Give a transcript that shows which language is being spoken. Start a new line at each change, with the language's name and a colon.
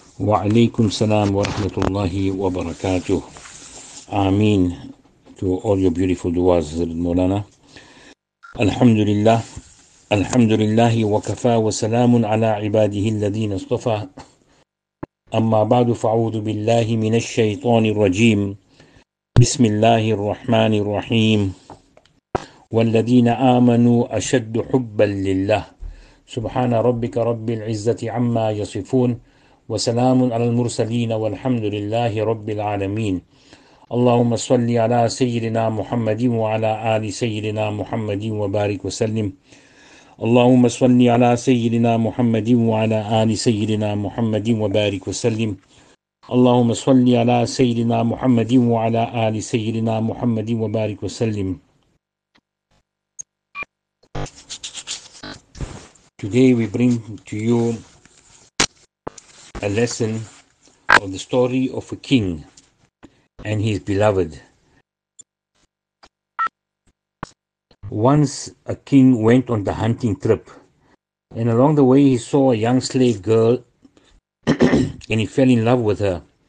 Arabic: وعليكم السلام ورحمة الله وبركاته. آمين.
English: To all your beautiful du'as, مولانا.
Arabic: الحمد لله. الحمد لله وكفى وسلام على عباده الذين اصطفى. أما بعد فأعوذ بالله من الشيطان الرجيم. بسم الله الرحمن الرحيم. والذين آمنوا أشد حبا لله. سبحان ربك رب العزة عما يصفون. وسلام على المرسلين والحمد لله رب العالمين. اللهم صل على سيدنا محمد وعلى آل سيدنا محمد وبارك وسلم. اللهم صل على سيدنا محمد وعلى آل سيدنا محمد وبارك وسلم. اللهم صل على سيدنا محمد وعلى آل سيدنا محمد وبارك وسلم.
English: Today we bring to you a lesson of the story of a king and his beloved. Once a king went on the hunting trip, and along the way he saw a young slave girl and he fell in love with her.